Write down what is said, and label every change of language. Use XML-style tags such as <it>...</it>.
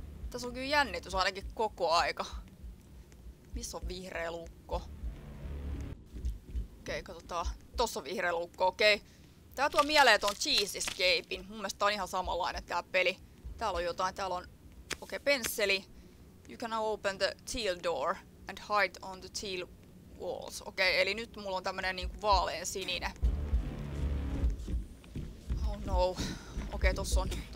<fi>Tässä on kyllä jännitys ainakin koko aika. Missä on vihreä lukko? Okei, katsotaan. Tossa on vihreä lukko, okei. Tää tuo mieleen ton Cheese Escapein. Mun mielestä tää on ihan samanlainen tää peli. Täällä on jotain, täällä on... Okei, pensseli.</fi> <en>You can open the teal door and hide on the teal walls.</en> <fi>Okei, eli nyt mulla on tämmönen niinku vaalean sininen. Oh no. Okei, tossa on.</fi>